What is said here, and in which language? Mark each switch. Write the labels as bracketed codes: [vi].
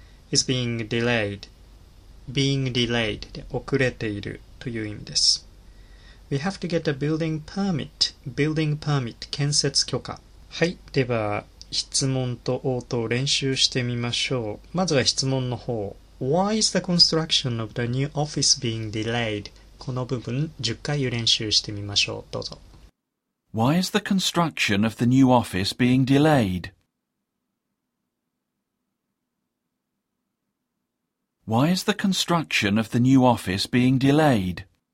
[en] is being delayed. being delayed [ja] で遅れているという意味です。 [en] We have to get a building permit. building permit [ja] 建設許可。はい、では質問と応答を練習してみましょう。まずは質問の方。 [en] Why is the construction of the new office being delayed? [ja] この部分10回練習してみましょう。どうぞ。 [en] Why is the construction of the new office being delayed? Why is the construction of the new office being delayed?